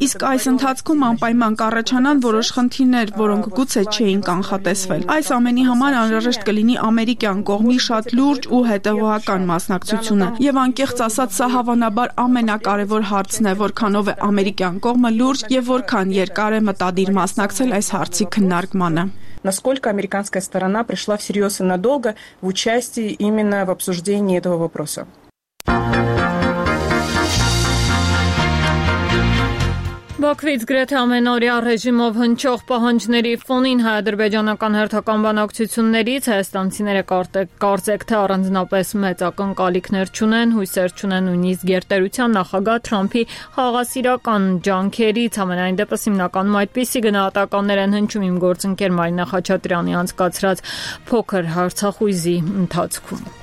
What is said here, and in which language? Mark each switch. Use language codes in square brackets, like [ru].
[hy] Իսկ այս ընթացքում անպայման կառաջանան որոշ խնդիրներ, որոնք գուցե չէին կանխատեսվել։ Այս ամենի համար անհրաժեշտ կլինի ամերիկյան կողմի շատ լուրջ ու հետևողական մասնակցությունը, եւ անկեղծ ասած, սա հավանաբար ամենակարևոր հարցն է, որքանով է ամերիկյան կողմը լուրջ եւ որքան երկար է մտադիր մասնակցել այս հարցի քննարկմանը։ [ru] Насколько американская сторона пришла всерьёз и надолго в участии именно в обсуждении этого вопроса? [hy] Բաքվից գրեթե ամենօրյա ռեժիմով հնչող պահանջների ֆոնին հայ-ադրբեջանական հերթական բանակցություններից հայաստանցիները կարծեք թե առանձնապես մեծ ակնկալիքներ չունեն, հույսեր չունեն նույնիսկ երկրության նախագահ Թրամփի հաղասիրական ջանքերից։ Ամենայն դեպս հիմնականում այդպիսի գնահատականներ են հնչում իմ գործընկեր Մարինա Խաչատրյանի անցկացրած փոքր հարցախույզի ընթացքում։